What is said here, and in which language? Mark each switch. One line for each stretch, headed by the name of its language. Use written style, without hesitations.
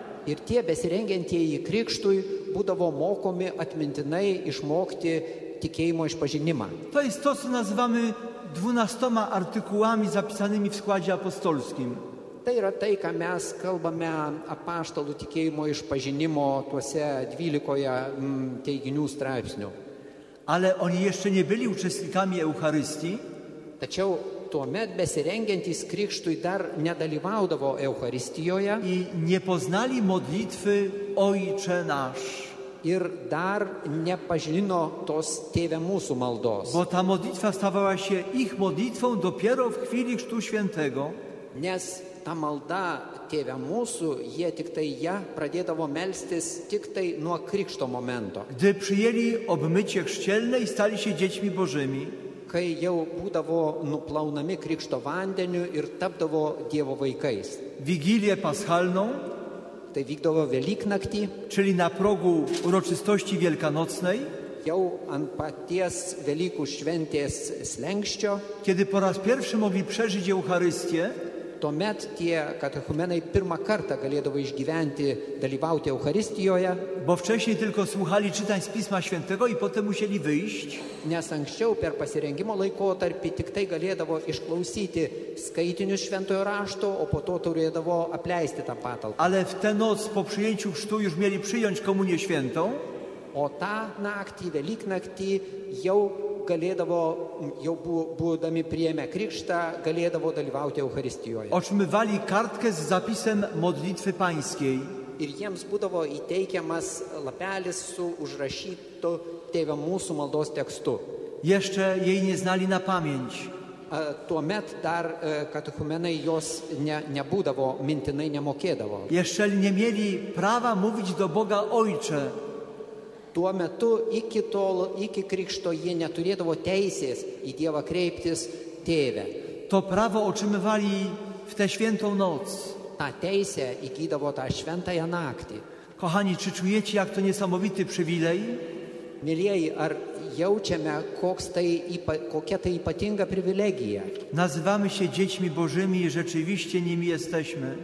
Lithuanian: Ir tie besirengiantieji krikštui būdavo mokomi atmintinai išmokti tikėjimo išpažinimą.
Polish: To jest to, co nazywamy 12 artykułami zapisanymi w składzie apostolskim.
Lithuanian: Tai yra tai, ką mes kalbame apaštalų tikėjimo išpažinimo tuose 12 teiginių straipsnių.
Polish: Ale oni jeszcze nie byli uczestnikami Eucharystii.
Lithuanian: Tačiau tuomet besirengiantys krikštui dar nedalyvaudavo Eucharistijoje.
Polish: I nie poznali modlitwy Ojcze nasz.
Lithuanian: Ir dar nepažino tos Tėve mūsų maldos.
Polish: Bo ta modlitwa stawała się ich modlitwą dopiero w chwili chrztu świętego.
Lithuanian: Nes ta malda Tėve mūsų, jie tik tai ją pradėdavo melstis tik tai nuo krikšto momento.
Polish: Gdy przyjęli obmycie chrzcielne i stali się dziećmi Bożymi.
Lithuanian: Kai jau būdavo nuplaunami krikšto vandeniu ir tapdavo Dievo vaikais.
Polish: Vigiliją paschalną.
Lithuanian: Tai vykdavo Velyknaktį.
Polish: Czyli na progu uroczystości wielkanocnej.
Lithuanian: Jau ant paties Velykų šventės slenkščio.
Polish: Kiedy po raz pierwszy mogli przeżyć Eucharystię.
Lithuanian: Tuomet tie katechumenai pirmą kartą galėdavo išgyventi, dalyvauti Eucharistijoje.
Polish: Bo wcześniej tylko słuchali czytań z Pisma Świętego i potem musieli wyjść.
Lithuanian: Nes anksčiau per pasirengimo laikotarpį tik tai galėdavo išklausyti skaitinius šventojo rašto, o po to turėdavo apleisti tą patalpą.
Polish: Ale w tę noc po przyjęciu chrztu już mieli przyjąć komunię świętą.
Lithuanian: O tą naktį, Velyknaktį, jau galėdavo, jau būdami priėmę krikštą, galėdavo dalyvauti Eucharistijoje.
Polish: Otrzymywali kartkę z zapisem modlitwy pańskiej.
Lithuanian: Ir jiems būdavo įteikiamas lapelis su užrašytu Tėve mūsų maldos tekstu.
Polish: Jeszcze jej nie znali na pamięć.
Lithuanian: Tuomet dar katechumenai jos nebūdavo, mintinai nemokėdavo.
Polish: Jeszcze nie mieli prawa mówić do Boga Ojcze.
Lithuanian: Tuo metu iki tol, iki krikšto jie neturėdavo teisės į Dievą kreiptis Tėvę.
Polish: To pravo otrzymywali w tę świętą noc.
Lithuanian: Ta teisė įgydavo tą šventąją naktį.
Polish: Kochani, czy czujecie, jak to niesamowity przywilej?
Lithuanian: Mielieji, ar jaučiame, kokia tai ypatinga privilegija?
Polish: Nazywamy się dziećmi Bożymi i rzeczywiście nimi jesteśmy.